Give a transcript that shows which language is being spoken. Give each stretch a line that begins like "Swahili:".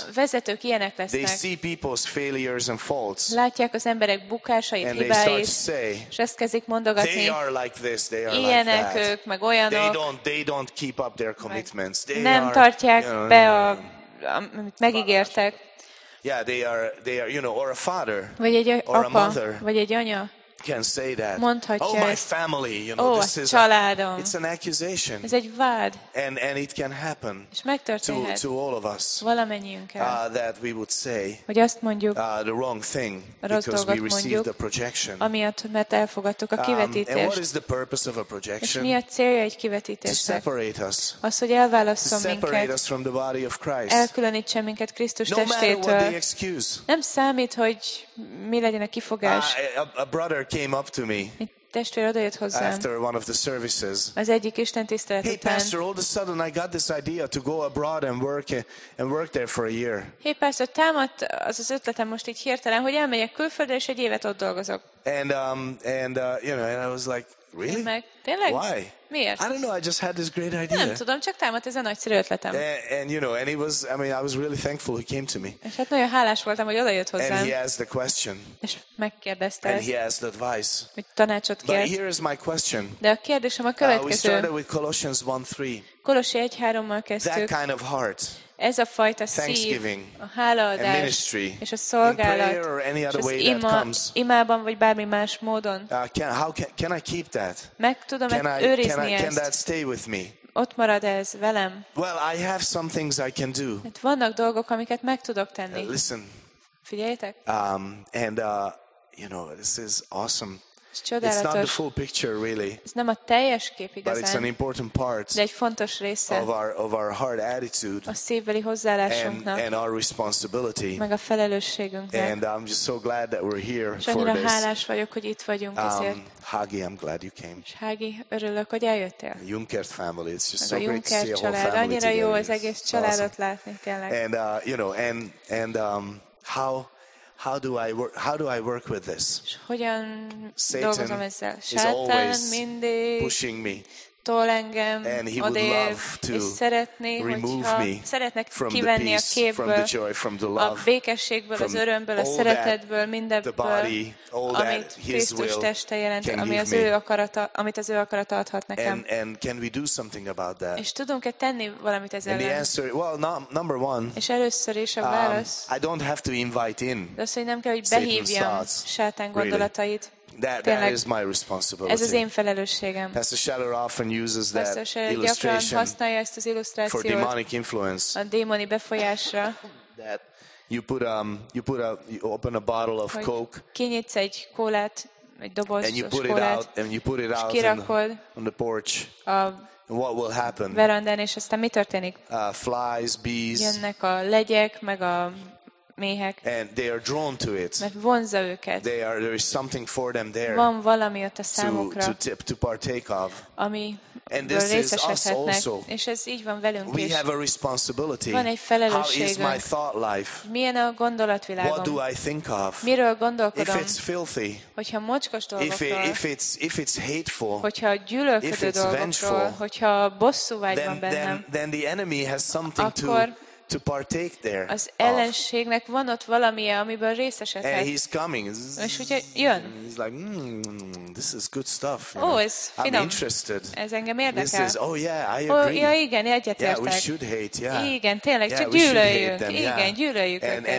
Hungarian: Vezetők ilyenek lesznek.
English: They see people's failures and faults.
Hungarian: Látják az emberek bukásait,
English: and
Hungarian: hibáit.
English: They start to say,
Hungarian: és ezt kezdik mondogatni.
English: They are like this, they are
Hungarian: ilyenek
English: like that.
Hungarian: Ők, meg olyanok.
English: They don't keep up their commitments. They
Hungarian: nem
English: are,
Hungarian: tartják be a, amit megígértek.
English: Yeah, they are, you know, or a father,
Hungarian: vagy egy
English: or
Hungarian: apa,
English: a mother,
Hungarian: vagy egy anya.
English: Can say that.
Hungarian: Mondhatja.
English: Oh, my family, you know, oh, this is.
Hungarian: A családom.
English: It's an accusation.
Hungarian: Ez egy vád.
English: And it can happen.
Hungarian: És megtörténhet.
English: To all of us.
Hungarian: Valamennyiünkkel.
English: That we would say.
Hungarian: Hogy azt mondjuk.
English: The wrong thing. Because we received the projection.
Hungarian: Amiatt, mert elfogadtuk a kivetítést.
English: And what is the purpose of a projection?
Hungarian: És mi a célja egy kivetítésnek?
English: To separate us.
Hungarian: Az, hogy elválasszon minket.
English: Separate us from the body of Christ.
Hungarian: Elkülönítse minket Krisztus testétől.
English: No matter what the excuse.
Hungarian: Nem számít, hogy mi legyen a kifogás.
English: A brother came up to me.
Hungarian: Testvér odajött hozzám.
English: After one of the services.
Hungarian: Az egyik istentisztelet
English: után. Hey pastor, all of a sudden I got this idea to go abroad and work there for a year. Hey pastor,
Hungarian: támadt az ötletem most így hirtelen, hogy elmegyek külföldre és egy évet ott dolgozok.
English: And I was like, really?
Hungarian: Tényleg?
English: Why?
Hungarian: Miért?
English: I don't know, I just had this great idea.
Hungarian: Nem tudom, csak támadt ez a nagyszerű ötletem.
English: And you know, and it was, I mean, I was really thankful he came to me.
Hungarian: És hát nagyon hálás voltam, hogy odajött hozzám.
English: And he asked the question.
Hungarian: És megkérdezte.
English: And he asked advice.
Hungarian: Hogy tanácsot kért.
English: But here is my question.
Hungarian: De a kérdésem a következő.
English: We started with Colossians 1:3.
Hungarian: Kolossi 1:3-mal kezdtük.
English: That kind of heart.
Hungarian: Ez a fajta szív, a hálaadás,
English: and ministry,
Hungarian: és a szolgálat,
English: any other
Hungarian: és az
English: way
Hungarian: ima,
English: that comes,
Hungarian: imában vagy bármi más módon.
English: Can I keep that?
Hungarian: Meg tudom-e őrizni
English: can
Hungarian: ezt?
English: Can that stay with me?
Hungarian: Ott marad ez velem?
English: Well, I have some things I can do.
Hungarian: Hát vannak dolgok, amiket meg tudok tenni.
English: Listen.
Hungarian: Figyeljetek.
English: You know, this is awesome.
Hungarian: Ez csodálatos.
English: It's not the full picture, really.
Hungarian: Ez nem a teljes kép igazán.
English: But it's an important part.
Hungarian: De egy fontos része.
English: Of our heart attitude.
Hungarian: A szívbeli hozzáállásunknak.
English: And our responsibility.
Hungarian: Meg a felelősségünknek.
English: And I'm just so glad that we're here for this.
Hungarian: Annyira hálás vagyok, hogy itt vagyunk ezért.
English: Hagi, I'm glad you came.
Hungarian: Hagi, örülök, hogy eljöttél.
English: The Junkert family, it's just
Hungarian: meg
English: so great to see a whole family.
Hungarian: Annyira jó az egész családot awesome. Látni tényleg.
English: And you know, and How do I work with this?
Hungarian: Hogyan dolgozom ezzel?
English: Satan is always mindig pushing me.
Hungarian: Tol engem,
English: and he would love to remove me from the peace, from the joy, from the love,
Hungarian: a békességből, az örömből, a szeretetből, mindebből, amit Krisztus teste jelent, ami az ő akarata, amit az ő akarata adhat nekem.
English: And can we do something about that?
Hungarian: És tudunk-e tenni valamit ezzel?
English: And the answer, well, number one.
Hungarian: És először is a válasz.
English: I don't have to invite in.
Hungarian: De azt, hogy nem kell, hogy behívjam Sátán gondolatait.
English: Really. That is my responsibility.
Hungarian: Ez az én felelősségem.
English: Pastor Scheller often uses that
Hungarian: illustration ezt az
English: for demonic influence.
Hungarian: A démoni befolyásra.
English: That you open a bottle of Coke.
Hungarian: Kinyitsz egy kólát, egy dobozos kólát.
English: And you put it out on the porch.
Hungarian: A
English: What will happen?
Hungarian: Verandán, és aztán mi történik?
English: Flies, bees.
Hungarian: Jönnek a legyek, meg a méhek.
English: And they are drawn to it.
Hungarian: Mert vonza őket.
English: There is something for them there.
Hungarian: Van valami ott a számukra.
English: To partake of.
Hungarian: Ami
English: and this is us also.
Hungarian: És ez így van velünk is.
English: We have a responsibility.
Hungarian: Van egy felelősségünk.
English: How is my thought life?
Hungarian: Milyen a gondolatvilágom?
English: What do I think of?
Hungarian: Miről gondolkodom?
English: If it's filthy.
Hungarian: Hogyha mocskos dolgokról.
English: If it's hateful.
Hungarian: Hogyha gyűlölködő dolgokról.
English: If it's vengeful.
Hungarian: Hogyha bosszú vágy van bennem.
English: Then the enemy has something to partake there.
Hungarian: Az ellenségnek van ott valami, amiben részesedhet.
English: And he's coming.
Hungarian: És ugye jön.
English: He's like, this is good stuff.
Hungarian: Oh, ez finom.
English: I'm interested.
Hungarian: Ez engem érdekel.
English: This is, oh yeah, I agree.
Hungarian: Ja, igen, egyetértek.
English: Yeah, we should hate, yeah.
Hungarian: Igen, tényleg, csak gyűlöljünk. Igen, gyűlöljük őket.